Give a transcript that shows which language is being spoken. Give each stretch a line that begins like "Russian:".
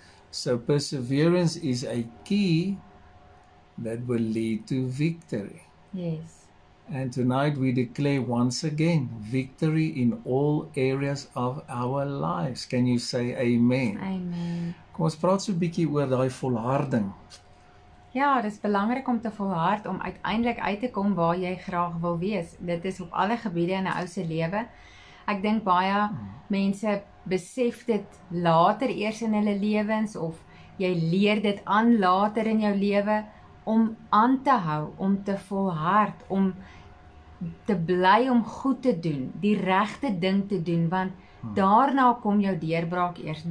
English: So perseverance is a key that will lead to victory. Yes. And tonight we declare once again victory in all areas of our lives. Can you say amen? Amen.
Afrikaans: Kom ons praat so 'n bietjie oor daai volharding. Ja, dit is belangrik om te volhard om uiteindelik uit te kom waar jy graag wil wees. Dit is op alle gebiede in 'n ou se lewe. Ek dink baie mense besef dit later eers in hulle lewens of jy leer dit aan later in jou lewe om aan te hou, om te volhard, om te bly om goed te doen, die regte ding te doen, want daarna kom jou deurbraak eers.